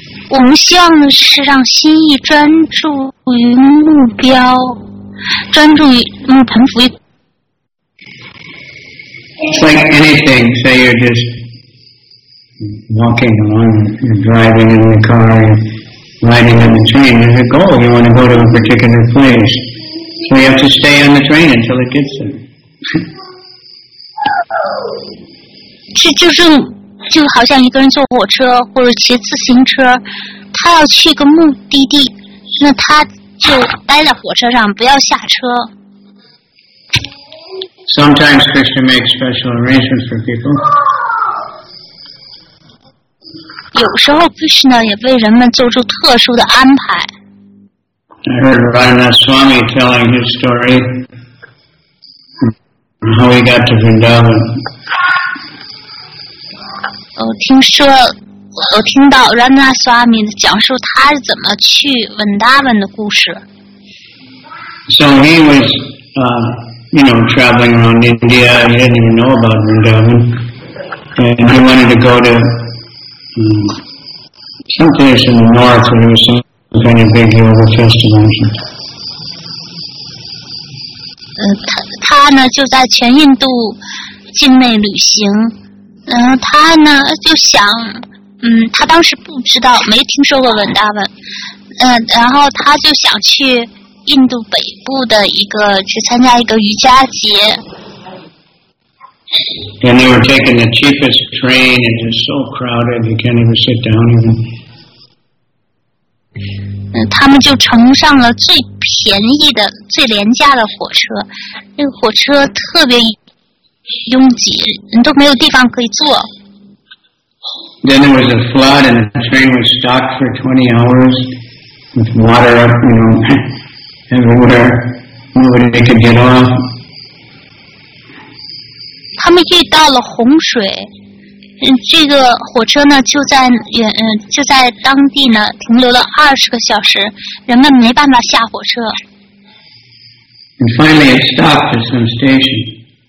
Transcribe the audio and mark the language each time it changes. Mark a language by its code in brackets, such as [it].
[zh] 我们希望的是让心意专注于目标，专注于臣服于。 [en] It's like anything. Say you're just walking along, you're driving in the car, you're riding on the train. There's a goal. You want to go to a particular place, so you have to stay on the train until it gets there. [zh] 这就是就好像一个人坐火车或者骑自行车，他要去个目的地，那他就待在火车上，不要下车。 [en] Sometimes Krishna makes special arrangements for people. [zh] 有时候 Krishna 也为人们做出特殊的安排。 [en] I heard Ramaswamy telling his story and how he got to Vrindavan. [zh] 我听到 Ramaswamy 讲述他是怎么去 Vrindavan 的故事。 [en] So he was, traveling around India. He didn't even know about Vrindavan, and he wanted to go to some place in the north where he was having a big yoga festival. [zh] 他呢就在全印度境内旅行，他呢就想，他当时不知道，没听说过文达文，然后他就想去印度北部的一个去参加一个瑜伽节。 [en] And they were taking the cheapest train, and it's so crowded you can't even sit down even. [zh] 他们就乘上了最便宜的、最廉价的火车，那个火车特别拥挤，人都没有地方可以坐。 [en] Then there was a flood, and the train was stuck for 20 hours with water up, everywhere. Nobody could get off. [zh] 他们遇到了洪水，这个火车呢就在当地呢停留了20个小时，人们没办法下火车。 [en] And finally, it stopped at some station.